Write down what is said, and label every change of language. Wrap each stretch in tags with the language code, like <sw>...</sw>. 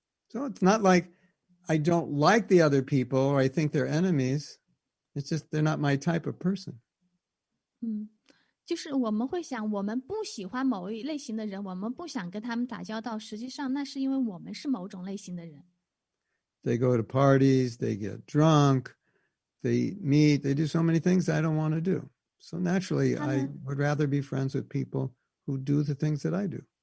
<en>So it's not like I don't like the other people or I think they're enemies. It's just they're not my type of person.</en> <zh>就是我们会想，我们不喜欢某一类型的人，我们不想跟他们打交道。实际上，那是因为我们是某种类型的人。</zh> <en>They go to parties, they get drunk, they meet, they do so many things I don't want to do. So naturally, I would rather be friends with people who do the things that I do.</en>